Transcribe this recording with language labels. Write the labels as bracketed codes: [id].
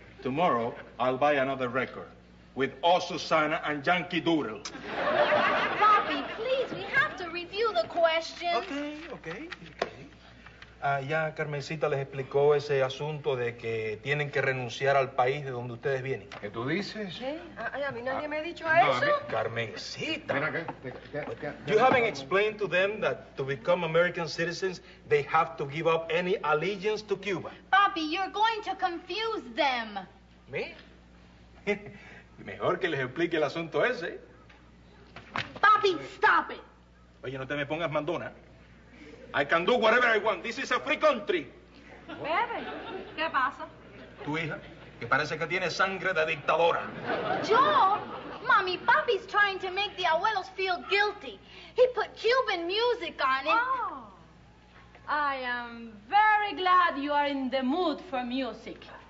[en] Tomorrow, I'll buy another record with O Susana and Yankee Doodle. Bobby, please, we have to review the questions. Okay. [es] Ya Carmencita les explicó ese asunto de que tienen que renunciar al país de donde ustedes vienen. ¿Qué tú dices? ¿Qué? Ay, a mí nadie me ha dicho no, eso. Carmencita. Mira que... [en] You haven't explained to them that to become American citizens, they have to give up any allegiance to Cuba. Papi, you're going to confuse them. [es] ¿Me? Mejor que les explique el asunto ese. [en] Papi, stop it. [es] Oye, no te me pongas mandona. [en] I can do whatever I want. This is a free country. [es] Bebe, ¿qué pasa? Tu hija, que parece que tiene sangre de dictadora. Yo? [en] Mommy, Papi's trying to make the abuelos feel guilty. He put Cuban music on it. Oh. I am very glad you are in the mood for music.